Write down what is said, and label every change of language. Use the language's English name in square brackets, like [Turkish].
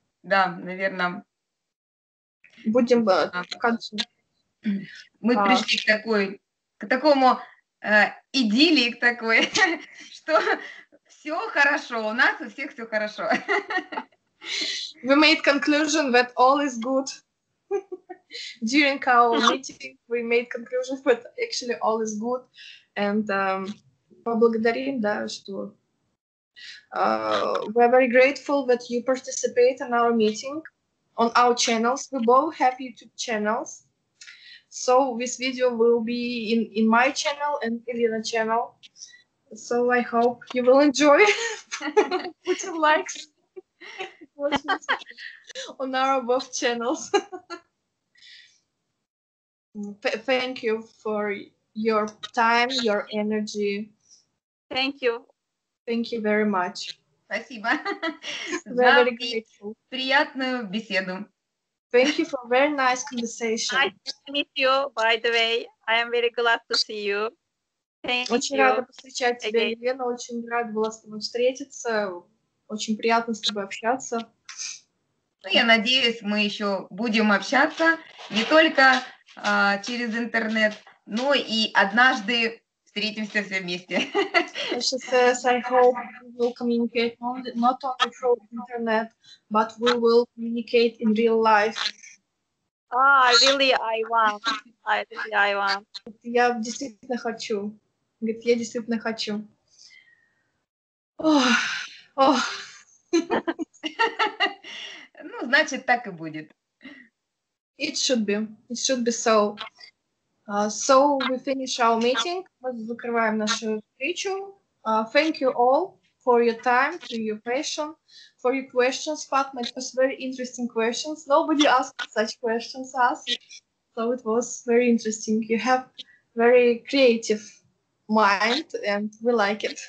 [Russian] Да, наверное. Будем в конце. Мы пришли к такому идиллии, к такой, что... Все хорошо, у нас у всех все хорошо. [English] We made conclusion that all is good. During our meeting we made conclusion that actually all is good. [Russian] And поблагодарим, да, что... [English] we are very grateful that you participate in our meeting on our channels. We both have YouTube channels. So this video will be in my channel and Elena channel. So I hope you will enjoy putting likes on our both channels. Thank you for your time, your energy. Thank you. Thank you very much. [Russian] Спасибо. [English] Very, very grateful. [Russian] Приятную беседу. [English] Thank you for a very nice conversation. Nice to meet you, by the way. I am very glad to see you. Thank [Russian] очень [English] you. [Russian] Рада встречать тебя, again. Елена. Очень рада была с тобой встретиться. Очень приятно с тобой общаться. Ну, я надеюсь, мы еще будем общаться не только через интернет, но и однажды встретимся все вместе. [English] She says, I hope we will communicate not only through internet, but we will communicate in real life. Ah, really, I want. Really, I want. [Russian] Я действительно хочу. Говорит, я действительно хочу. Ох, ох. Ну, значит, так и будет. [English] It should be so. So we finish our meeting. [Russian] Мы закрываем нашу встречу. [English] Thank you all for your time, for your passion, for your questions. Fatma, it was very interesting questions. Nobody asked such questions as, so it was very interesting. You have very creative mind, and we like it.